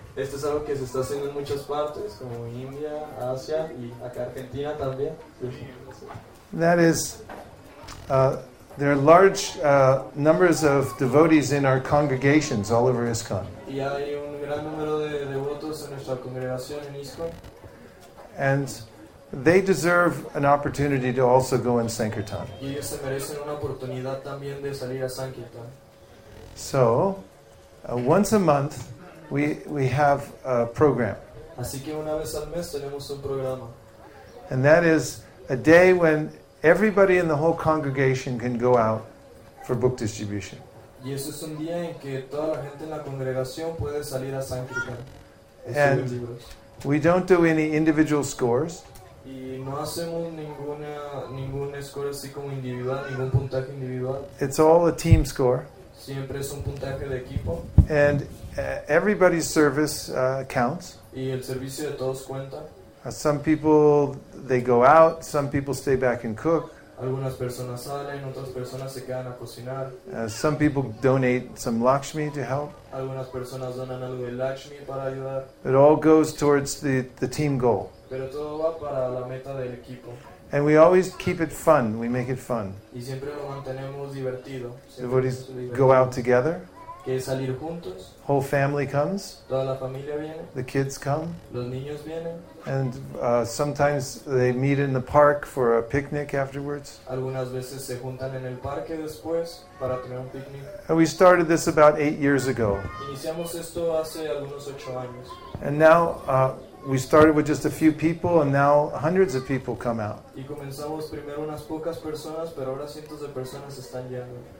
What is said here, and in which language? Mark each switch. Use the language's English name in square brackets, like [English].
[Spanish] Esto es algo que se está haciendo en muchas partes, como India, Asia y acá Argentina también. [English] That is, there are large numbers of devotees in our congregations all over ISKCON. [Spanish] Y hay un gran número de devotos en nuestra congregación en ISKCON. [English] And they deserve an opportunity to also go in Sankirtan. [Spanish] Y ellos se merecen una oportunidad también de salir a Sankirtan. [English] So, once a month, we have a program. [Spanish] Así que una vez al mes tenemos un programa. [English] And that is a day when everybody in the whole congregation can go out for book distribution. [Spanish] Y eso es un día en que toda la gente en la congregación puede salir a Sankirtan. [English] And we don't do any individual scores. [Spanish] Y no hacemos ningún score así como individual, ningún puntaje individual. [English] It's all a team score. [Spanish] Siempre es un puntaje de equipo. [English] And everybody's service counts. [Spanish] Y el servicio de todos cuenta. [English] Some people, they go out. Some people stay back and cook. [Spanish] Algunas personas salen, otras personas se quedan a cocinar. [English] Some people donate some Lakshmi to help. [Spanish] Algunas personas donan algo de Lakshmi para ayudar. [English] It all goes towards the team goal. [Spanish] Pero todo va para la meta del equipo. [English] And we always keep it fun. We make it fun. [Spanish] Y siempre lo mantenemos divertido. [English] Everybody go out together. [Spanish] Que es salir juntos. [English] Whole family comes. [Spanish] Toda la familia viene. [English] The kids come. [Spanish] Los niños vienen. [English] And sometimes they meet in the park for a picnic afterwards. [Spanish] Algunas veces se juntan en el parque después para tener un picnic. [English] And we started this about 8 years ago. [Spanish] Iniciamos esto hace algunos 8 años. [English] And now we started with just a few people, and now hundreds of people come out. [Spanish] Y comenzamos primero unas pocas personas, pero ahora cientos de personas están yendo.